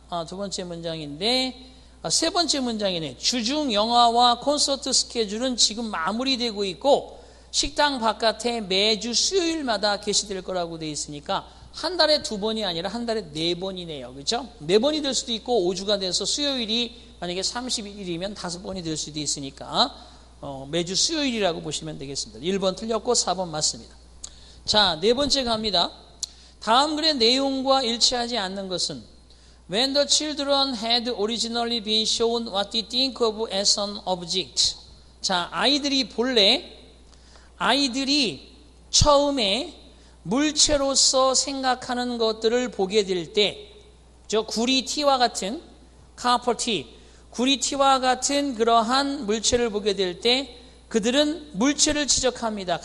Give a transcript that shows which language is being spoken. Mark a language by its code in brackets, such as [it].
[ko] 두 번째 문장인데 세 번째 문장이네. 주중 영화와 콘서트 스케줄은 지금 마무리되고 있고 식당 바깥에 매주 수요일마다 게시될 거라고 돼 있으니까 한 달에 두 번이 아니라 한 달에 네 번이네요. 그렇죠? 네 번이 될 수도 있고 5주가 돼서 수요일이 만약에 31일이면 다섯 번이 될 수도 있으니까 매주 수요일이라고 보시면 되겠습니다. 1번 틀렸고 4번 맞습니다. 자, 네 번째 갑니다. 다음 글의 내용과 일치하지 않는 것은 [en] When the children had originally been shown what they think of as an object. [ko] 자, 아이들이 처음에 물체로서 생각하는 것들을 보게 될 때, 저 구리 티와 같은, 카퍼 티, 구리 티와 같은 그러한 물체를 보게 될 때, 그들은 물체를 지적합니다.